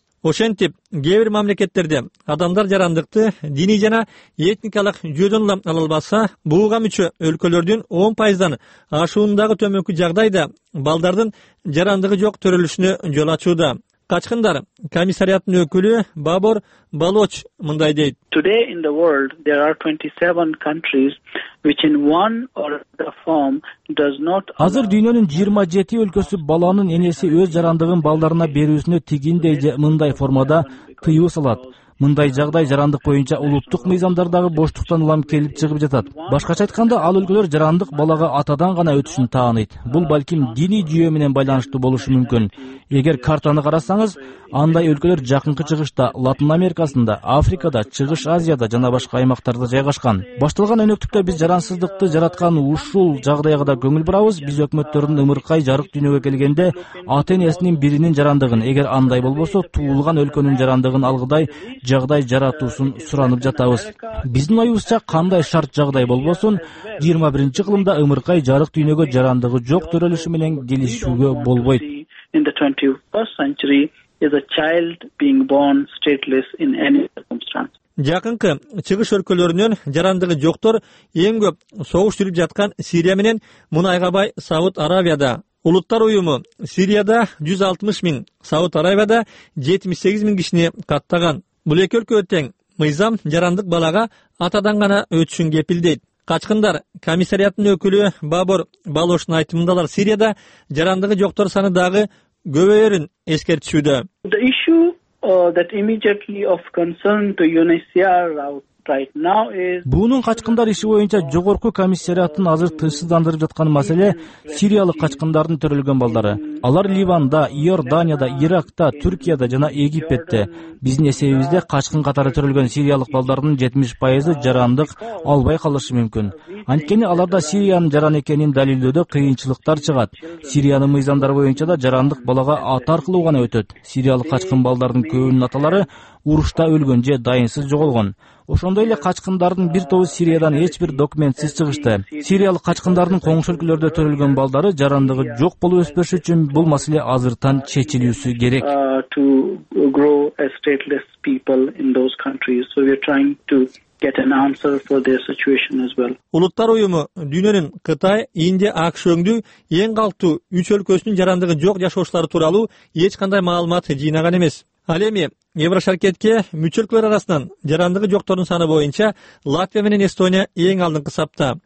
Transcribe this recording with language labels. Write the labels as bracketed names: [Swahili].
[Kyrgyz] Ошентип, кээ бир мамлекеттерде адамдар жарандыкты диний жана этникалык жүйөдөн улам ала албаса, бууга мүчө өлкөлөрдүн 10% ашуундагы төмөнкү жагдай да балдардын жарандыгы жок төрөлүшүнө жол ачууда. Качкындар комиссариатынын өкүлү Бабор Балоч мындай дейт. [English] Today in the world there are 27 countries which in one or the form does not. [Kyrgyz] Азыр дүйнөнүн 27 өлкөсү баланын энеси өз жарандыгын балдарына берүүсүнө тигиндей же мындай формада тыюу салат. Мындай жагдай жарандык боюнча улуттук мыйзамдардагы боштуктан улам келип чыгып жатат. Башкача айтканда, ал өлкөлөр жарандык балага атадан гана өтүшүн тааныйт. Бул балким диний жүйө менен байланыштуу болушу мүмкүн. Эгер картаны карасаңыз, андай өлкөлөр жакынкы чыгышта, Латын Америкасында, Африкада, Чыгыш Азияда жана башка аймактарда жайгашкан. Башталган өнөктүктө биз жарансыздыкты жараткан ушул жагдайга да көңүл бурабыз. Биз өкмөттөрдүн ымыркай жарык дүйнөгө келгенде ата энесинин биринин жарандыгын, эгер андай болбосо туулган өлкөнүн жарандыгын алгыдай жагдай жаратуусун суранып жатабыз. Биздин оюбузча кандай шарт жагдай болбосун 21-чи кылымда ымыркай жарык дүйнөгө жарандыгы жок төрөлүшү менен келишүүгө болбойт. [English] In the 21st century is a child being born stateless in any circumstance. [Kyrgyz] Жакынкы чыгыш өлкөлөрүнөн жарандыгы жоктор эң көп согуш жүрүп жаткан Сирия менен мунайга бай Сауд Аравияда. Улуттар уюму Сирияда 160 миң, Сауд Аравияда 78 миң кишини каттаган. Бул эки өлкөгө тең мыйзам жарандык балага атадан гана өтүшүн кепилдейт. Качкындар комиссариатынын өкүлү Бабор Балоштун айтымында алар Сирияда жарандыгы жоктор саны дагы көбөйөрүн эскертишүүдө. [English] That immediately of concern to UNHCR right now is [Kyrgyz] Буунун качкындар иши боюнча жогорку комиссариатын азыр тынчсыздандырып жаткан маселе сириялык качкындардын төрөлгөн балдары. Алар Ливанда, Иорданияда, Иракта, Түркияда жана Египетте. Биздин эсебибизде качкын катары төрөлгөн сириялык балдардын 70% жарандык албай калышы мүмкүн. Анткени аларда Сириянын жараны экенин далилдөөдө кыйынчылыктар чыгат. Сириянын мыйзамдары боюнча да жарандык балага ата аркылуу гана өтөт. Сириялык качкын балдардын көбүнүн аталары урушта өлгөн же дайынсыз жоголгон. Ошондой эле качкындардын бир тобу Сириядан эч бир документсиз чыгышты. Сириялык качкындардын коңшу өлкөлөрдө төрөлгөн балдары жарандыгы жок болуп өспөшү үчүн бул маселе азыртан чечилүүсү керек. [English] To grow as stateless people in those countries. So we are trying to get an answer for their situation as well. [Kyrgyz] Улуттар уюму дүйнөнүн Кытай, Индия, АКШ өңдүү эң калктуу 3 өлкөсүнүн жарандыгы жок жашоочулары тууралуу эч кандай маалымат жыйнаган эмес. Ал эми Еврошаркетке мүчө өлкөлөр арасынан жарандыгы жоктордун саны боюнча Латвия менен Эстония эң алдыңкы сапта.